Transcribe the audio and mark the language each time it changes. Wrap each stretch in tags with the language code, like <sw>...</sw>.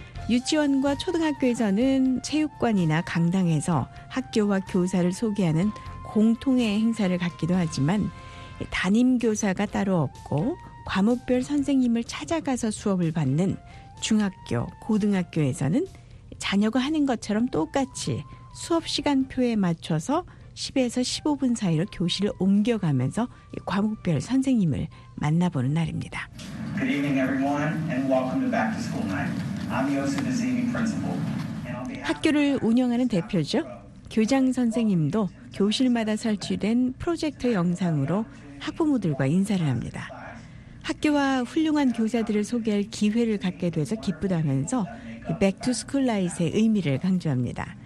<ko>유치원과 초등학교에서는 체육관이나 강당에서 학교와 교사를 소개하는 공통의 행사를 갖기도 하지만 담임교사가 따로 없고 과목별 선생님을 찾아가서 수업을 받는 중학교, 고등학교에서는 자녀가 하는 것처럼 똑같이 수업 시간표에 맞춰서 10에서 15분 사이로 교실을 옮겨가면서 과목별 선생님을 만나보는 날입니다.</ko> <en>Good evening everyone and welcome to Back to School Night. I'm Yosef Azimi, principal.</en> <ko>학교를 운영하는 대표죠. 교장 선생님도 교실마다 설치된 프로젝터 영상으로 학부모들과 인사를 합니다. 학교와 훌륭한 교사들을 소개할 기회를 갖게 돼서 기쁘다면서</ko> <en>Back to School Night</en> <ko>의 의미를 강조합니다.</ko>